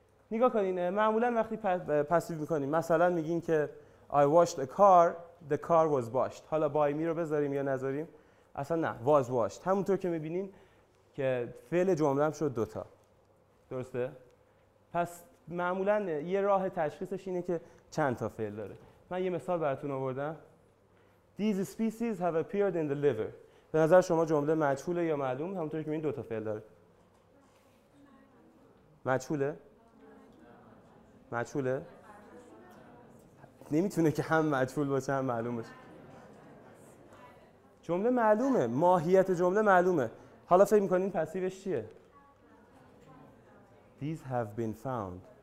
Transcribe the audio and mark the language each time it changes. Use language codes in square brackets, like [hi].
[fa] نگاه کنین، معمولا وقتی پسیو میکنین مثلا میگین که I washed a car, the car was washed. حالا by me رو بذاریم یا نذاریم، اصلا نه، was washed. همونطور که میبینین که فعل جمله‌ام شد 2 تا. درسته؟ پس معمولا یه راه تشخیصش اینه که چند تا فعل داره. من یه مثال براتون آوردم. [en] These species have appeared in the liver. [fa] به نظر شما جمله مجهوله یا معلوم؟ همونطوری که می‌بینید 2 تا فعل داره. مجهوله؟ مجهوله؟ نمیتونه که هم مجهول باشه هم معلوم باشه. جمله معلومه، ماهیت جمله معلومه. حالا فکر می‌کنین پسیوش چیه؟ These have been found.